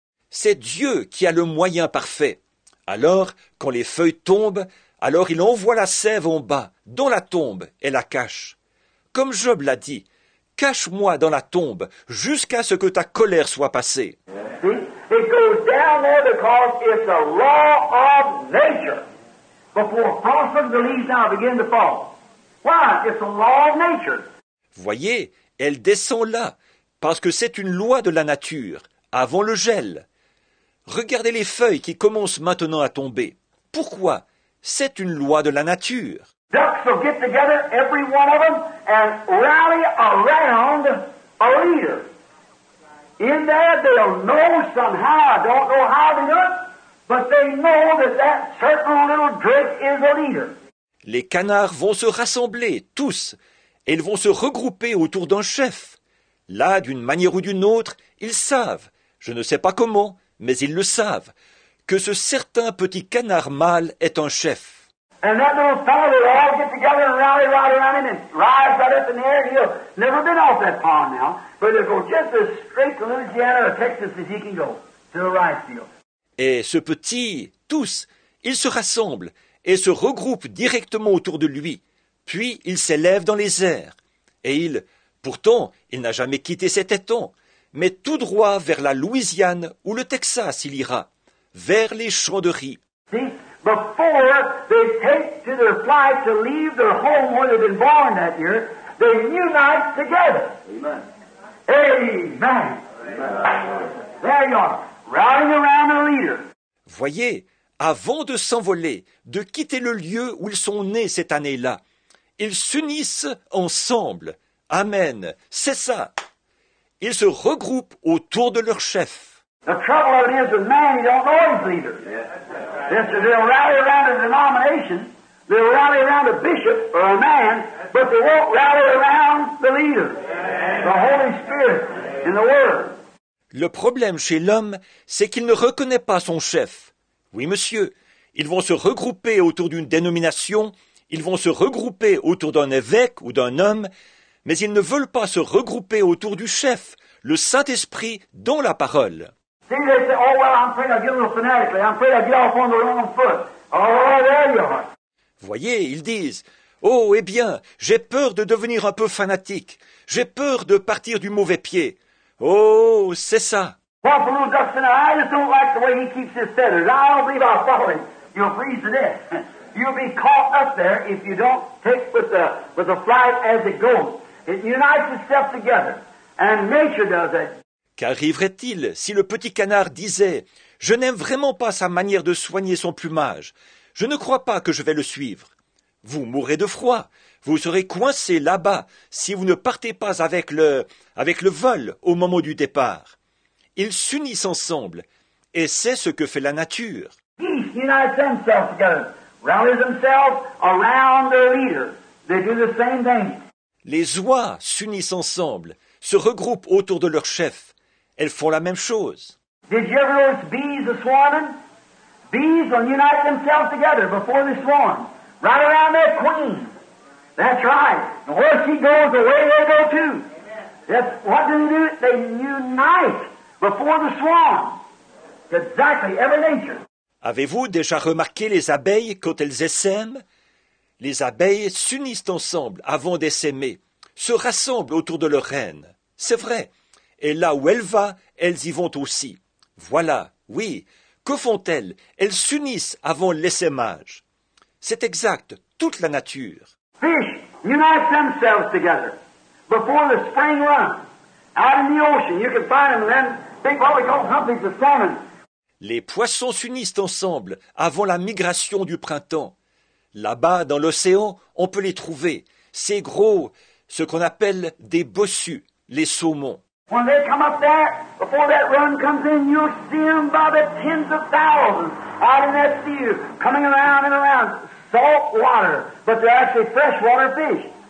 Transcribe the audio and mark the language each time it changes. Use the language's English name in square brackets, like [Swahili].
[French] C'est Dieu qui a le moyen parfait. Alors, quand les feuilles tombent, alors il envoie la sève en bas, dans la tombe, et la cache. Comme Job l'a dit, « Cache-moi dans la tombe, jusqu'à ce que ta colère soit passée. » [English] It goes down there because it's a law of nature. Before blossom, the leaves now begin to fall. Why? It's a law of nature. [French] Voyez, elle descend là, parce que c'est une loi de la nature, avant le gel. Regardez les feuilles qui commencent maintenant à tomber. Pourquoi? C'est une loi de la nature. [English] Ducks will get together, every one of them, and rally around a leader. In there, they'll know somehow, I don't know how they do it, but they know that that certain little drake is a leader. [French] Les canards vont se rassembler, tous. Ils vont se regrouper autour d'un chef. Là, d'une manière ou d'une autre, ils savent, je ne sais pas comment, mais ils le savent, que ce certain petit canard mâle est un chef. [English] And that little fellow will all get together and rally right around him and rise right up in the air and he'll never been off that pond now. But he'll go just as straight to Louisiana or Texas as he can go, to the rice field. [French] Et ce petit, tous, ils se rassemblent et se regroupent directement autour de lui. Puis il s'élève dans les airs. Et il, pourtant, il n'a jamais quitté cet étang, mais tout droit vers la Louisiane ou le Texas il ira, vers les champs de riz. [English] See? Before they take to their flight to leave their home where they've been born that year, they unite together. Amen. Amen. There you are, rallying around the leader. [French] Voyez, avant de s'envoler, de quitter le lieu où ils sont nés cette année-là, ils s'unissent ensemble. Amen. C'est ça. Ils se regroupent autour de leur chef. [English] The trouble of it is with man, you don't know his leader. Yeah. They'll rally around a denomination, they'll rally around a bishop or a man, but they won't rally around the leader, the Holy Spirit and the Word. [French] Le problème chez l'homme, c'est qu'il ne reconnaît pas son chef. Oui, monsieur, ils vont se regrouper autour d'une dénomination, ils vont se regrouper autour d'un évêque ou d'un homme, mais ils ne veulent pas se regrouper autour du chef, le Saint-Esprit dans la parole. [English] See, they say, oh, well, I'm afraid I'll get a little fanatically. I'm afraid I'll get off on the wrong foot. Oh, there you are. [French] Voyez, ils disent, oh, eh bien, j'ai peur de devenir un peu fanatique. J'ai peur de partir du mauvais pied. Oh, c'est ça. [English] Well, for little ducks in there, I just don't like the way he keeps his feathers. I don't believe I'll follow him. You'll freeze to death. You'll be caught up there if you don't take with the flight as it goes. It unites itself together. And nature does it. [French] Qu'arriverait-il si le petit canard disait « Je n'aime vraiment pas sa manière de soigner son plumage. Je ne crois pas que je vais le suivre. » Vous mourrez de froid. Vous serez coincé là-bas si vous ne partez pas avec le vol au moment du départ. Ils s'unissent ensemble et c'est ce que fait la nature. [English] Geese unites themselves together, rallies themselves around their leader. They do the same thing. [French] Les oies s'unissent ensemble, se regroupent autour de leur chef. Elles font la même chose. [English] Did you ever notice bees a swarming? Bees will unite themselves together before they swarm, right around their queen. That's right. And where she goes, away they go too. That's what do they do? They unite before the swarm. Exactly, every nature. [French] Avez-vous déjà remarqué les abeilles quand elles essaiment? Les abeilles s'unissent ensemble avant d'essaimer, se rassemblent autour de leur reine. C'est vrai. Et là où elle va, elles y vont aussi. Voilà, oui. Que font-elles? Elles s'unissent avant l'essaimage. C'est exact, toute la nature. [English] Fish unite themselves together before the spring run. Out in the ocean, you can find them then. They call it humpies of salmon. [French] Les poissons s'unissent ensemble avant la migration du printemps. Là-bas, dans l'océan, on peut les trouver. C'est gros, ce qu'on appelle des bossus, les saumons. [English] When they come up there, before that run comes in, you'll see them by the tens of thousands out in that sea, coming around and around, salt water, but they're actually freshwater fish.